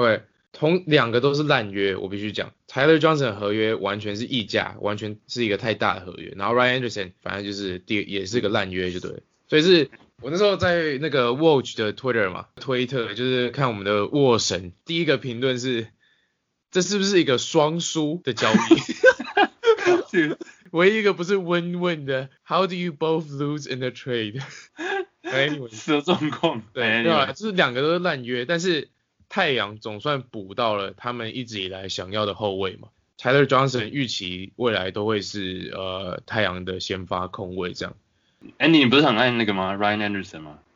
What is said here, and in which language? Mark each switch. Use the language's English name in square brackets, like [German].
[Chinese] ，OK， 同两个都是烂约，我必须讲 ，Tyler Johnson 合约完全是溢价，完全是一个太大的合约，然后 Ryan Anderson 反正就是也是个烂约就对了，所以是。我那时候在那个 Watch 的 Twitter 嘛，推特就是看我们的沃神，第一个评论是，这是不是一个双输的交易？唯一一个不是 win-win 的 [English] ，How do you both lose in the trade？哎， [Chinese] 是有状况。对，对吧？就是两个都是烂约，但是太阳总算补到了他们一直以来想要的后卫嘛。 Tyler Johnson 预期未来都会是太阳的先发控卫这样。 Andy， 你不是很爱那个吗 ？Ryan Anderson 吗？